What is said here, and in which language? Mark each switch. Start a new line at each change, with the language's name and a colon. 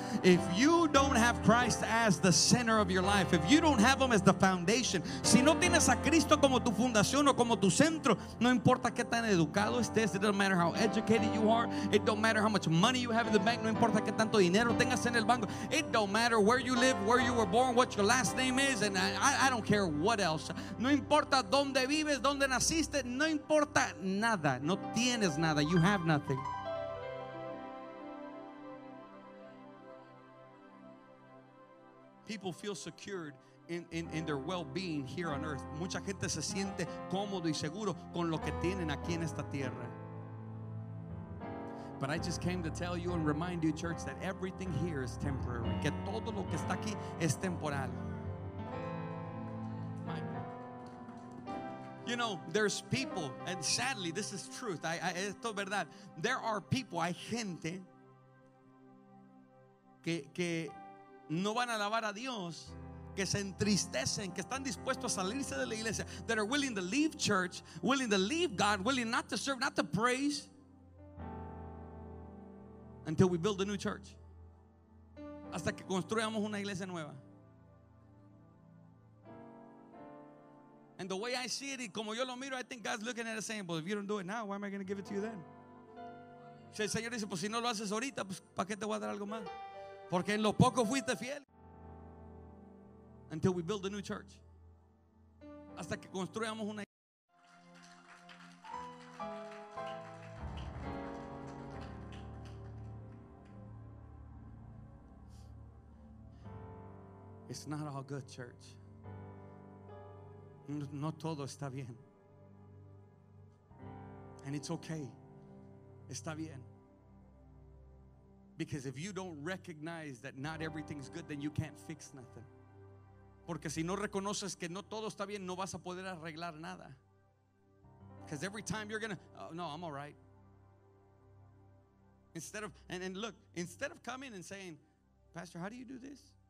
English: If you don't have Christ as the center of your life, if you don't have Him as the foundation,
Spanish: si no tienes a Cristo como tu fundación o como tu centro, no importa qué tan educado estés.
English: It doesn't matter how educated you are. It don't matter how much money you have in the bank.
Spanish: No importa qué tanto dinero tengas en el banco.
English: It don't matter where you live, where you were born, what your last name is, and I don't care what else.
Spanish: No importa dónde vives, dónde naciste, no importa nada. No tienes nada.
English: You have nothing. People feel secured in their well-being here on earth.
Spanish: Mucha gente se siente cómodo y seguro con lo que tienen aquí en esta tierra.
English: But I just came to tell you and remind you, church, that everything here is temporary.
Spanish: Que todo lo que está aquí es temporal.
English: You know, there's people, and sadly, this is truth.
Spanish: Esto es verdad.
English: There are people,
Spanish: hay gente que no van a alabar a Dios, que se entristecen, que están dispuestos a salirse de la iglesia,
English: that are willing to leave church, willing to leave God, willing not to serve, not to praise, until we build a new church.
Spanish: Hasta que construyamos una iglesia nueva.
English: And the way I see it,
Spanish: y como yo lo miro,
English: I think God's looking at it saying, well, if you don't do it now, why am I going to give it to you then?
Spanish: Si el Señor dice, pues si no lo haces ahorita, pues ¿para qué te voy a dar algo más? Porque en lo poco fuiste fiel.
English: Until we build a new church.
Spanish: Hasta que construyamos una iglesia.
English: It's not all good, church.
Spanish: No todo está bien.
English: And it's okay.
Spanish: Está bien.
English: Because if you don't recognize that not everything's good, then you can't fix nothing.
Spanish: Porque si no reconoces que no todo está bien, no vas a poder arreglar nada.
English: Because every time you're going to, oh, no, I'm all right. Instead of, and look, instead of coming and saying, Pastor, how do you do this?